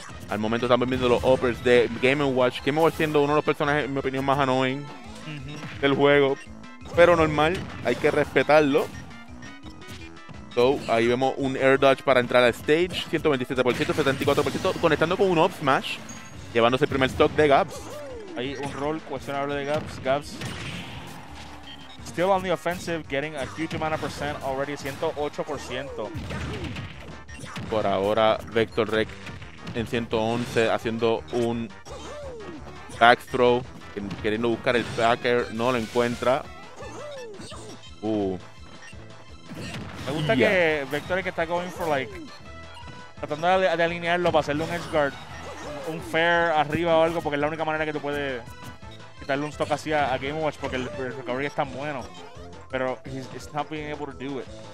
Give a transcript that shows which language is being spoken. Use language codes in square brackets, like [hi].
[es] Al momento estamos viendo los uppers de Game & Watch. Game & Watch siendo uno de los personajes, en mi opinión, más annoying del juego. Pero normal, hay que respetarlo. So, ahí vemos un air dodge para entrar al stage. 127%, 74%, conectando con un up smash. Llevándose el primer stock de Gabs. Ahí un roll cuestionable de Gabs. [en] Gabs still on the offensive, getting a huge amount of percent already, 108%. [es] Por ahora, Vector Rec en 111, haciendo un back throw, queriendo buscar el backer, no lo encuentra. Me gusta que Vector Rec está [en] going for like, [es] tratando de alinearlo para hacerle un edge guard, un fair arriba o algo, porque es la única manera que tú puedes darle un stock así a Game Watch, porque el recovery es tan bueno, pero [en] he's not being able to do it.